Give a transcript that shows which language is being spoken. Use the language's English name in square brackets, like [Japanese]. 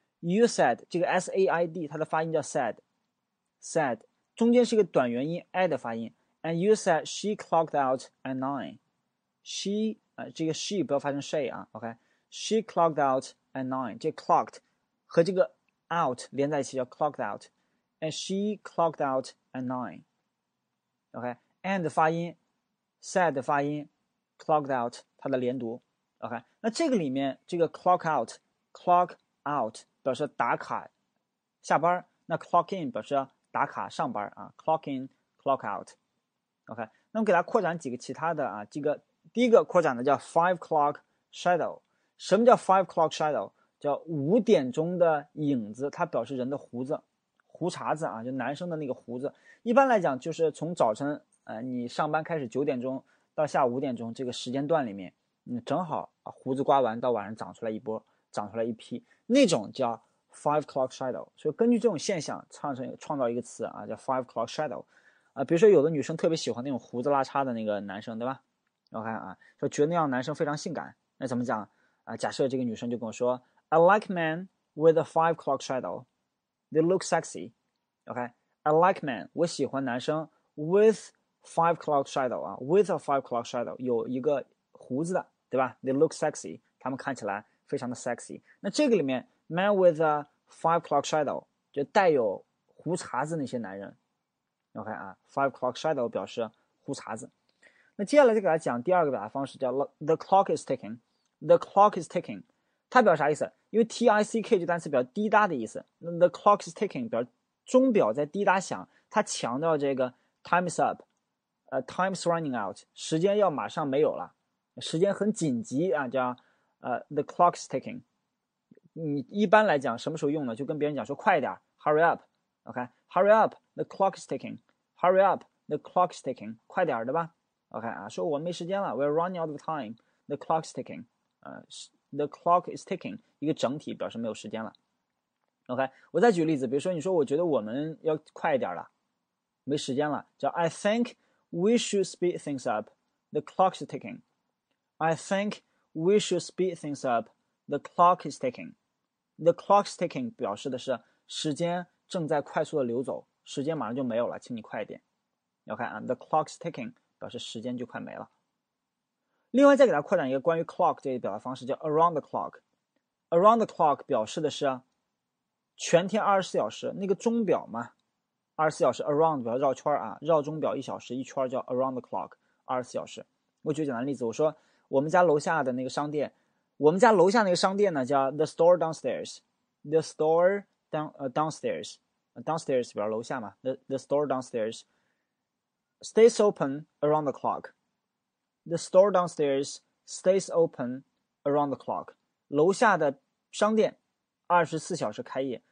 [Chinese] You said 这个 said 它的发音叫 said，中间是一个短元音 i 的发音。 [English] And you said she clocked out at 9. She 这个 she 不要发成 she 啊， OK。 She clocked out at nine。 这 clocked 和这个 out 连在一起叫 clocked out，and she clocked out at nine。 [Chinese] OK，and 发音，said 发音，clocked out 它的连读。 OK，那这个里面这个 clock out 表示打卡下班，那 clock in 表示打卡上班啊，clock in clock out。 OK，那我们给它扩展几个其他的啊，这个第一个扩展的叫 five clock shadow。什么叫 five clock shadow？叫5点钟的影子，它表示人的胡子、胡茬子啊，就男生的那个胡子。一般来讲，就是从早晨，你上班开始9点钟到下午5点钟这个时间段里面，你正好啊，胡子刮完到晚上长出来一波，长出来一批，那种叫 five clock shadow。所以根据这种现象，创造一个词啊，叫 five clock shadow。啊，比如说有的女生特别喜欢那种胡子拉碴的那个男生，对吧？我看啊，说觉得那样男生非常性感，那怎么讲？ [English] 啊，假设这个女生就跟我说， I like men with a 5 o'clock shadow, they look sexy. [Chinese] OK，I like men，我喜欢男生 with 5 o'clock shadow 啊，with a 5 o'clock shadow 有一个胡子的，对吧？ They look sexy，他们看起来非常的 sexy。那这个里面，man with a 5 o'clock shadow 就带有胡茬子那些男人。 OK 啊，5 o'clock shadow 表示胡茬子。那接下来就给大家讲第二个表达方式，叫 the clock is ticking。 The clock is ticking，它表示啥意思？因为 tick 这单词表示滴答的意思。那 the clock is ticking 表示钟表在滴答响，它强调这个 time is up，time is running out，时间要马上没有了，时间很紧急啊，叫the clock is ticking。 [English] 你一般来讲什么时候用呢？就跟别人讲说快一点， hurry up，OK，hurry up，the clock is ticking，hurry up，the clock is ticking，快点儿，对吧？ OK 啊，说我没时间了， we're running out of time，the clock is ticking。 [Chinese] the clock is ticking，一个整体表示没有时间了。OK，我再举个例子，比如说你说我觉得我们要快一点了，没时间了，叫 I think we should speed things up, the clock is ticking. [English] I think we should speed things up, the clock is ticking. [Chinese] The clock is ticking 表示的是时间正在快速的流走，时间马上就没有了，请你快一点。 OK 啊，the clock is ticking 表示时间就快没了。另外再给它扩展一个关于 clock 这个表达方式，叫 around the clock。around the clock 表示的是全天24小时，那个钟表嘛，24小时 around 表绕圈啊，绕钟表1小时一圈叫 around the clock 24小时。我举个简单例子，我说我们家楼下的那个商店，我们家楼下那个商店呢叫 the store downstairs，the store downstairs 表楼下嘛，the store downstairs stays open around the clock， the store downstairs stays open around the clock，楼下的商店24小时开业。